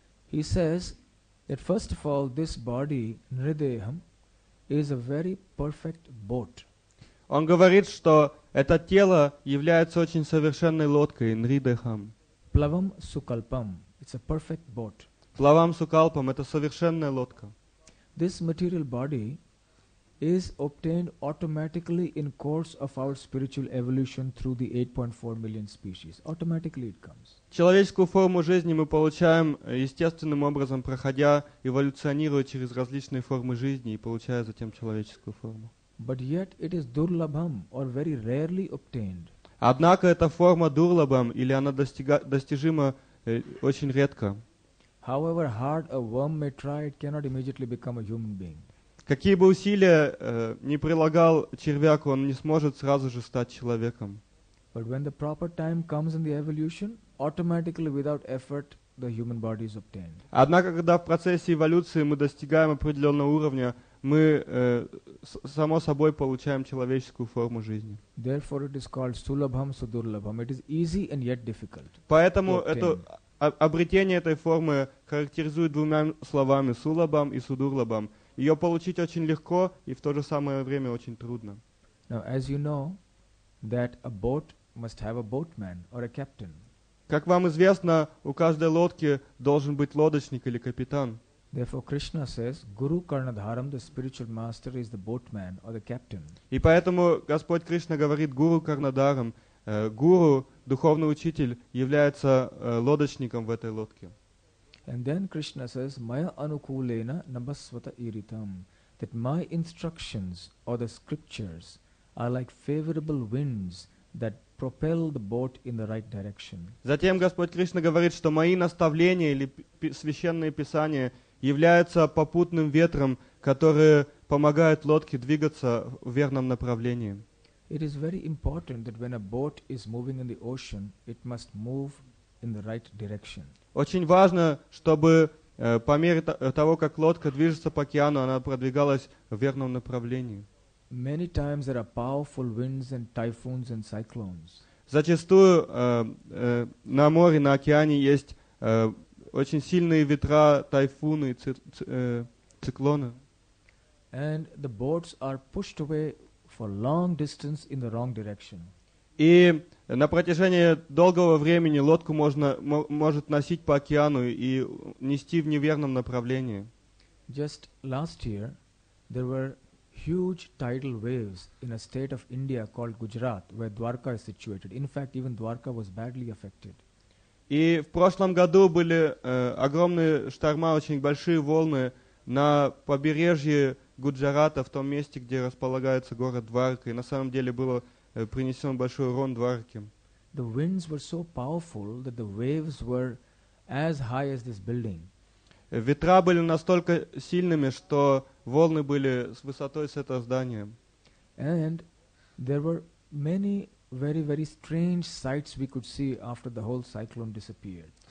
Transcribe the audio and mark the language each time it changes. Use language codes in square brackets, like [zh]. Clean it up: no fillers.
[en] He says that first of all, this body, Nrideham, is a very perfect boat. [ru] Он говорит, что это тело является очень совершенной лодкой, Нридеham. [sa] Плавам сукалпам. [en] It's a perfect boat. [sa] Плавам сукалпам. [ru] Это совершенная лодка. [en] This material body is obtained automatically in course of our spiritual evolution through the 8.4 million species. Automatically it comes. [ru] Человеческую форму жизни мы получаем естественным образом, проходя, эволюционируя через различные формы жизни и получая затем человеческую форму. [en] But yet it is durlabham, or very rarely obtained. [ru] Однако эта форма дурлабам, или она достижима очень редко. [en] However hard a worm may try, it cannot immediately become a human being. [ru] Какие бы усилия ни прилагал червяк, он не сможет сразу же стать человеком. [en] But when the proper time comes in the evolution, automatically without effort, the human body is obtained. [ru] Однако, когда в процессе эволюции мы достигаем определенного уровня, мы само собой получаем человеческую форму жизни. [en] Therefore, it is called sulabham sudurlabham. It is easy and yet difficult. [ru] Поэтому это обретение этой формы характеризует двумя словами: сулабам и судурлабам. Ее получить очень легко и в то же самое время очень трудно. [en] Now, as you know, that a boat must have a boatman or a captain. [ru] Как вам известно, у каждой лодки должен быть лодочник или капитан. [en] Therefore, Krishna says, Guru Karnadharam, the spiritual master, is the boatman or the captain. [ru] И поэтому Господь Кришна говорит Гуру Карнадарам, Гуру, духовный учитель, является лодочником в этой лодке. [en] And then Krishna says, [sa] Maya anukulena nabasvata iritam, [en] that my instructions or the scriptures are like favorable winds that propel the boat in the right direction. [ru] Затем Господь Кришна говорит, что мои наставления или священные писания являются попутным ветром, которые помогают лодке двигаться в верном направлении. [en] It is very important that when a boat is moving in the ocean, it must move in the right direction. [ru] Очень важно, чтобы по мере того, как лодка движется по океану, она продвигалась в верном направлении. [en] Many times there are powerful winds and typhoons and cyclones. [ru] Зачастую на море, на океане есть очень сильные ветра, тайфуны, циклоны. [en] And the boats are pushed away for long distance in the wrong direction. [ru] И на протяжении долгого времени лодку может носить по океану и нести в неверном направлении. [en] Just last year there were huge tidal waves in a state of India called Gujarat, where Dwarka is situated. In fact, even Dwarka was badly affected. [ru] И в прошлом году были огромные шторма, очень большие волны на побережье Гуджарата, в том месте, где располагается город Дварка. И на самом деле было принесен большой урон Дварке. [en] The winds were so powerful that the waves were as high as this building. [ru] Ветра были настолько сильными, что волны были с высотой с этого здания. [en] And there were many very, very strange sights we could see after the whole cyclone disappeared.